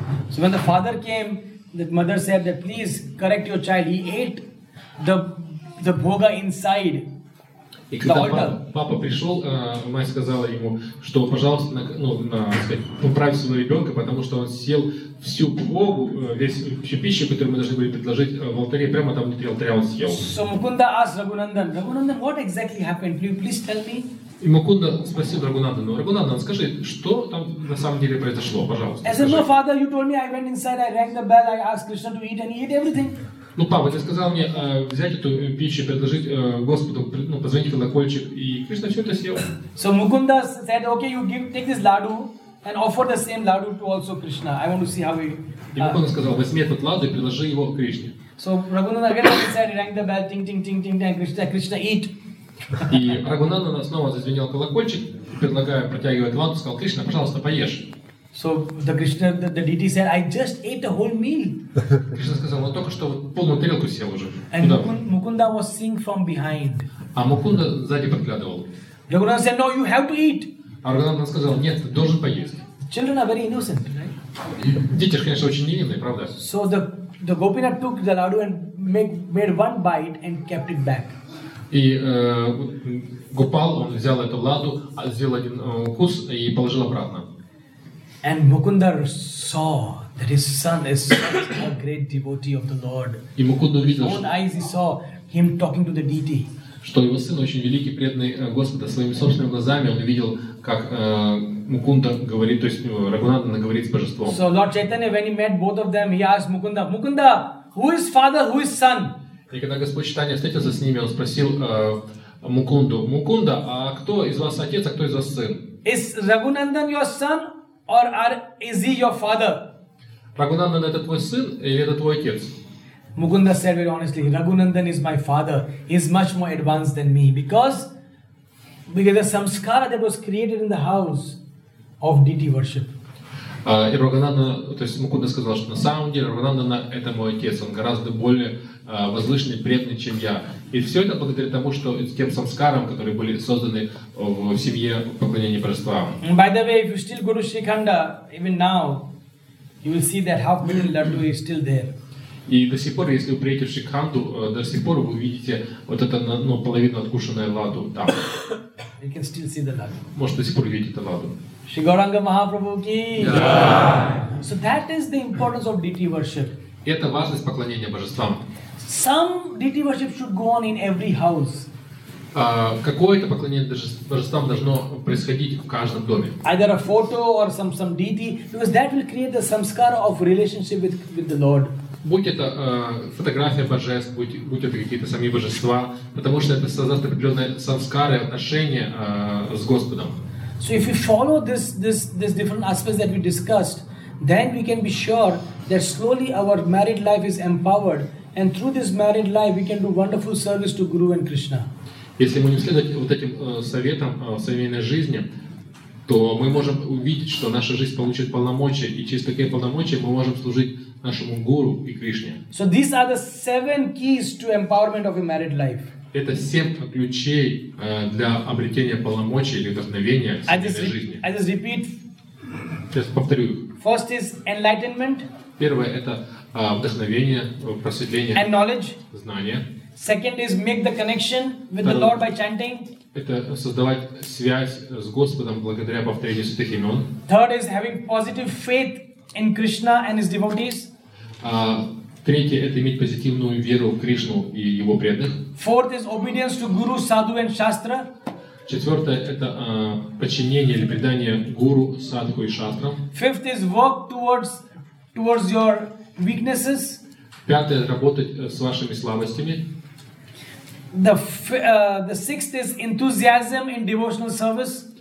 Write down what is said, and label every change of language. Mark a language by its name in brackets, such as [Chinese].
[English] So when the father came, the mother said that please correct your child. He ate the bhoga inside. [Russian] И когда папа пришел, мать сказала ему, что пожалуйста, поправь своего ребенка, потому что он съел всю богу, всю пищу, которую мы должны были предложить в алтаре, прямо там внутри алтаря он съел. [English] So Mukunda asked Raghunandan, Raghunandan, what exactly happened? Please tell me. [Russian] И Мукунда спросил Рагунандану, Рагунандан, скажи, что там на самом деле произошло, пожалуйста. [English] As no father, you told me I went inside, I rang the bell, I asked Krishna to eat, and he ate everything. [Russian] Ну, папа, ты сказал мне взять эту пищу, предложить Господу, позвонить колокольчик, и Кришна все это съел. [English] So Mukunda said, okay, you take this ladu and offer the same ladu to also Krishna. I want to see how he... [Russian] И Mukunda сказал, возьми этот ладу и предложи его Кришне. [English] So Raghunandan again said, rang the bell, ting-ting-ting-ting-ting, Krishna eat. [Russian] И Raghunandan снова зазвенел колокольчик, предлагая протягивать ладу, сказал, Кришна, пожалуйста, поешь. [English] So the Krishna, the deity said, I just ate the whole meal. [Russian] Кришна сказал, я только что полную тарелку съел уже. [English] And Mukunda was seeing from behind. [Russian] А Мукунда сзади подглядывал. [English] Raghunandan said, no, you have to eat. [Russian] А Раганандан сказал, нет, ты должен поесть. [English] Children are very innocent, right? [Russian] Дети, конечно, очень невинные, правда? [English] So the Gopinath took the ladu and made one bite and kept it back. [Russian] И Гопал, он взял эту ладу, сделал один укус и положил обратно. [English] And Mukunda saw that his son is such a great devotee of the Lord. [Russian] И Мукунда видел, [English] his own eyes he saw him talking to the deity. [Russian] Что его сын очень великий преданный Господа своими собственными глазами он видел, как Мукунда говорит, то есть Рагунандан говорит с божеством. [English] So Lord Chaitanya, when he met both of them, he asked Mukunda, Mukunda, who is father, who is son? [Russian] И когда Господь Чайтанья встретился с ними, он спросил Мукунду, Мукунда, а кто из вас отец, а кто из вас сын? [English] Is Raghunandan your son? Or is he your father? [Russian] Raghunandan, это твой сын или это твой отец? [English] Mukunda said very honestly, Raghunandan is my father. He is much more advanced than me because the samskara that was created in the house of deity worship. [Russian] И Raghunandan, то есть Mukunda сказал, что на самом деле Raghunandan это мой отец. Он гораздо более возвышенный, преданный, чем я. И все это благодаря тому, что с тем самскарам, которые были созданы в семье поклонения божества. [English] By the way, if you still go to Shikhanda, even now, you will see that half million ladu is still there. [Russian] И до сих пор, если вы приедете в Шикханду, до сих пор вы увидите вот это половину откушенное ладу там. [English] You can still see the ladu. [Russian] Может, до сих пор увидите это ладу. [English] Shri Gauranga Mahaprabhu ki. Yeah. So that is the importance of deity worship. [Russian] Это важность поклонения божествам. [English] Some deity worship should go on in every house. [Russian] Какое-то поклонение божествам должно происходить в каждом доме. [English] Either a photo or some deity, because that will create the samskara of relationship with the Lord. [Russian] Будь это фотография божеств, будь это какие-то сами божества, потому что это создаст определенные самскары, отношения с Господом. [English] So if we follow this different aspects that we discussed, then we can be sure that slowly our married life is empowered, and through this married life we can do wonderful service to Guru and Krishna. [Russian] Если мы не следовать вот этим советам в семейной жизни, то мы можем увидеть, что наша жизнь получит полномочия, и через такие полномочия мы можем служить нашему Гуру и Кришне. [English] So these are the seven keys to empowerment of a married life. [Russian] Это семь ключей для обретения полномочий или вдохновения в семейной жизни. [English] I just repeat. [Russian] Сейчас повторю их. [English] First is enlightenment. [Russian] Первое это вдохновение, просветление. [English] And knowledge. [Russian] Знание. [English] Second is make the connection with the Lord by chanting. [Russian] Это создавать связь с Господом благодаря повторению святых имен. [English] Third is having positive faith in Krishna and his devotees. [Russian] Третье это иметь позитивную веру в Кришну и его преданных. [English] Fourth is obedience to Guru, Sadhu and Shastra. [Russian] Четвертое это подчинение или предание Гуру, Садху и Шастрам. [English] Fifth is work towards your weaknesses. [Russian] Пятое работать с вашими слабостями. [English] The sixth is enthusiasm in devotional service.